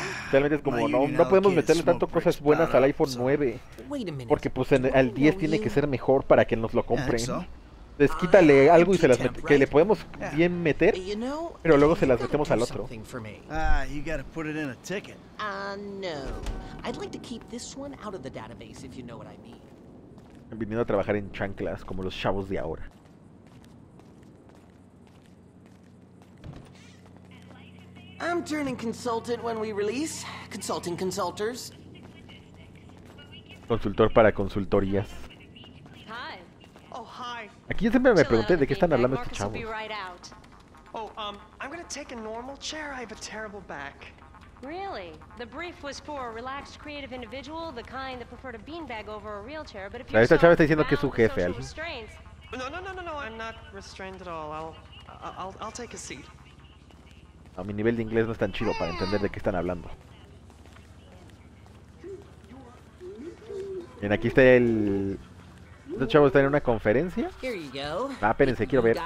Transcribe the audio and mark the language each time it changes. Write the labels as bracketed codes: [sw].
[es] Realmente es como, no podemos meterle tanto cosas buenas al iPhone 9, porque pues al 10 tiene que ser mejor para que nos lo compren. Entonces quítale algo y se las mete, que le podemos bien meter, pero luego se las metemos al otro. [en] You gotta put it in a ticket. No. I'd like to keep this one out of the database, if you know what I mean. [es] Viniendo a trabajar en chanclas, como los chavos de ahora. [en] I'm turning consultant when we release. Consulting consultors. [es] Consultor para consultorías. [en] Hi. Oh, hi. [es] Aquí yo siempre me pregunté de qué están hablando estos chavos. [en] Right, I'm gonna take a normal chair. I have a terrible back. Really? The brief was for a relaxed, creative individual, the kind that preferred a beanbag over a real chair. But if you're [es] esta chava está diciendo que es su jefe, ¿al? [en] No. I'm not restrained at all. I'll take a seat. [es] A mi nivel de inglés no es tan chido para entender de qué están hablando. Bien, aquí está el. Este chavo está en una conferencia. Ah, espérense, quiero ver.